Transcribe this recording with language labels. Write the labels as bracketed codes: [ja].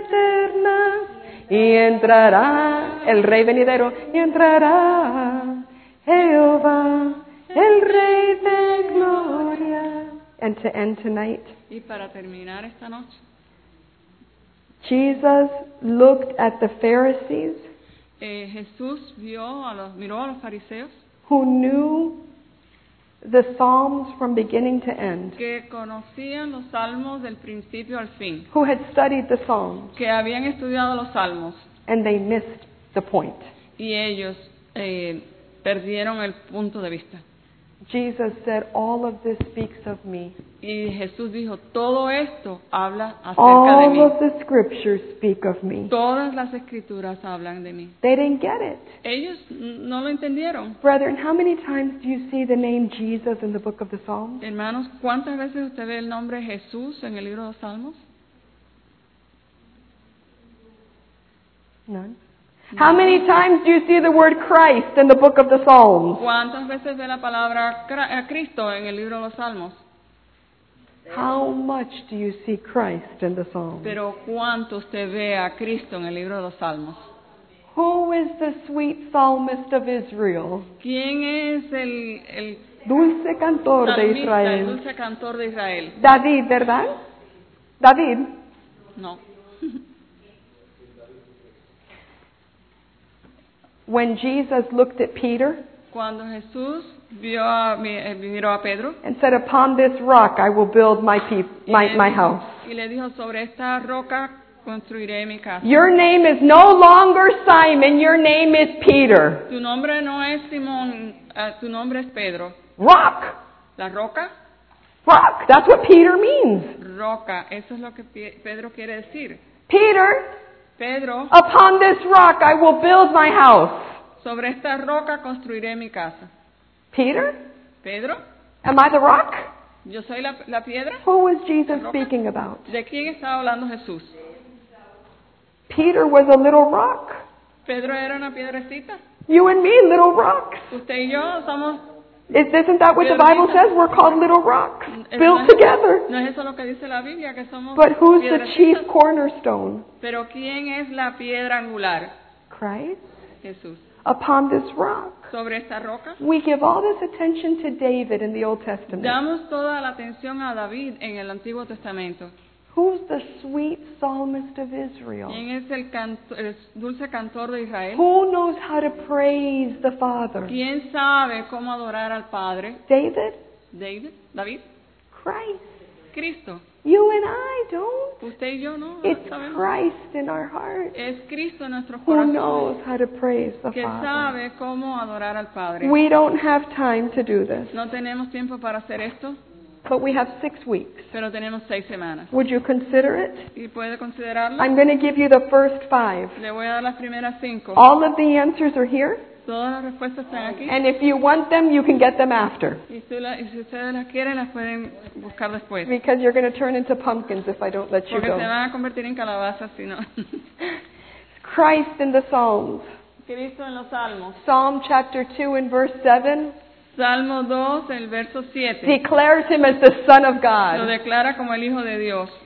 [es] eternas y entrará el Rey venidero y entrará Jehová, el Rey de gloria. [en] And to end tonight, [es] y para terminar esta noche, [en] Jesus looked at the Pharisees, [es] Jesús vio a los, miró a los fariseos, [en] who knew the Psalms from beginning to end, [es] que conocían los salmos del principio al fin, [en] who had studied the Psalms, [es] que habían estudiado los salmos, [en] and they missed the point. [es] Y ellos perdieron el punto de vista. [en] Jesus said, "All of this speaks of me." [es] Y Jesús dijo, todo esto habla acerca [en] All [es] de mí. [en] Of the scriptures speak of me. [es] Todas las escrituras hablan de mí. [en] They didn't get it. [es] Ellos no lo entendieron. [en] Brethren, how many times do you see the name Jesus in the book of the Psalms? [es] Hermanos, ¿cuántas veces usted ve el nombre Jesús en el libro de los Salmos? [en] None. How many times do you see the word Christ in the book of the Psalms? [es] ¿Cuántas veces ve la palabra Cristo en el libro de los Salmos? [en] How much do you see Christ in the Psalms? [es] Pero ¿cuánto usted ve a Cristo en el libro de los Salmos? [en] Who is the sweet psalmist of Israel? [es] ¿Quién es el dulce cantor de Israel? El dulce cantor de Israel. David, ¿verdad? David? No. [en] When Jesus looked at Peter, [es] cuando Jesús vio a, miró a Pedro, [en] and said, "Upon this rock I will build my house." [es] Y le dijo, sobre esta roca construiré mi casa. [en] Your name is no longer Simon, your name is Peter. [es] Tu nombre no es Simón, tu nombre es Pedro. [en] Rock. [es] La roca. [en] Rock, that's what Peter means. [es] Roca, eso es lo que Pedro quiere decir. [en] Peter, [es] Pedro, [en] upon this rock I will build my house. [es] Sobre esta roca construiré mi casa. [en] Peter? [es] Pedro? [en] Am I the rock? [es] Yo soy la piedra. [en] Who was Jesus speaking about? [es] ¿De quién estaba hablando Jesús? [en] Peter was a little rock. [es] Pedro era una piedrecita. [en] You and me, little rocks. [es] Usted y yo somos. [en] Isn't that what the Bible says? We're called little rocks, built together. [es] ¿No es eso lo que dice la Biblia, que somos? [en] But who's the chief cornerstone? [es] ¿Pero quién es la piedra angular? [en] Christ. [es] Jesús. [en] Upon this rock. [es] ¿Sobre esta roca? [en] We give all this attention to David in the Old Testament. [es] Damos toda la atención a David en el Antiguo Testamento. [en] Who's the sweet psalmist of Israel? [es] ¿Quién es el dulce cantor de Israel? [en] Who knows how to praise the Father? [es] ¿Quién sabe cómo adorar al Padre? [en] David? [es] David? David? [en] Christ. [es] Cristo. [en] You and I don't. [es] Usted y yo no. [en] It's Christ in our heart. [es] Es Cristo en nuestro [en] Who [es] corazón. [en] Who knows how to praise the [es] que [en] Father? [es] ¿Quién sabe cómo adorar al Padre? [en] We don't have time to do this. [es] ¿No tenemos tiempo para hacer esto? [en] But we have 6 weeks. [es] Pero tenemos 6 semanas. [en] Would you consider it? [es] ¿Y puede considerarlo? [en] I'm going to give you the first 5. [es] Le voy a dar las primeras 5. [en] All of the answers are here. [es] Todas las respuestas están aquí. [en] And if you want them, you can get them after. [es] Y si ustedes las quieren, las pueden buscar después. [en] Because you're going to turn into pumpkins if I don't let you [es] Porque [en] go. [es] Porque se van a convertir en calabazas si no. [en] Christ in the Psalms. [es] Cristo en los Salmos. [en] Psalm chapter 2 and verse 7. [es] Salmo 2, el verso 7. [en] Declares him as the Son of God. [es] Lo declara como el Hijo de Dios.